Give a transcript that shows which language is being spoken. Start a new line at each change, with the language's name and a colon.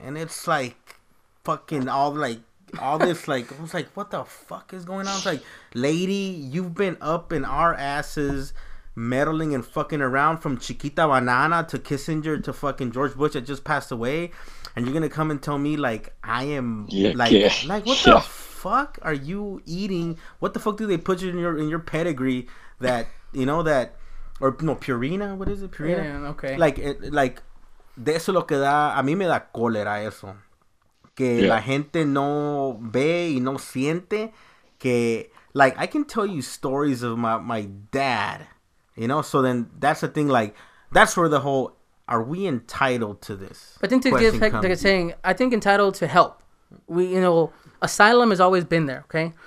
English: And it's like fucking all like all this, like, I was like, what the fuck is going on? It's like, lady, you've been up in our asses meddling and fucking around from Chiquita Banana to Kissinger to fucking George Bush that just passed away, and you're gonna come and tell me like I am like what the fuck are you eating? What the fuck do they put you in your pedigree that that, or no, Purina, what is it? Purina? Like it, like
Spanish: de eso lo que da, a mí me da cólera eso. Que la gente no ve y no siente que,
English: like, I can tell you stories of my dad, so then that's the thing, like, that's where the whole are we entitled to this But then to give, question like they're comes. saying, I think entitled to help. We, asylum has always been there, okay?